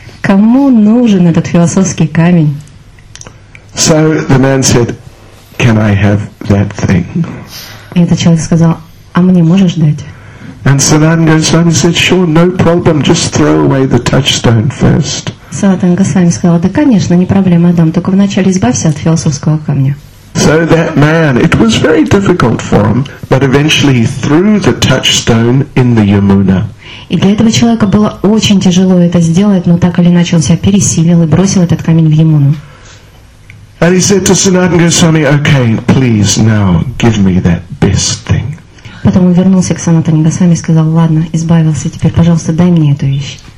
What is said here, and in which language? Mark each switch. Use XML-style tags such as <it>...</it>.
<ru>Кому нужен этот философский камень?</ru> <en>So the man said, can I have that thing?</en> <ru>И этот человек сказал, а мне можешь дать?</ru> <en>And Санатан Госвами said, sure, no problem, just throw away the touchstone first.</en> <ru>Санатан Госвами сказал, да конечно, не проблема, Адам, только вначале избавься от философского камня.</ru> <en>So that man, it was very difficult for him, but eventually he threw the touchstone in the Yamuna.</en> <ru>И для этого человека было очень тяжело это сделать, но так или иначе он себя пересилил и бросил этот камень в Ямуну.</ru> <en>And he said to Sanatana Goswami, okay, please now give me that best thing.</en> <ru>Потом он вернулся к Санатане Госвами и сказал, ладно, избавился, теперь, пожалуйста, дай мне эту вещь.</ru>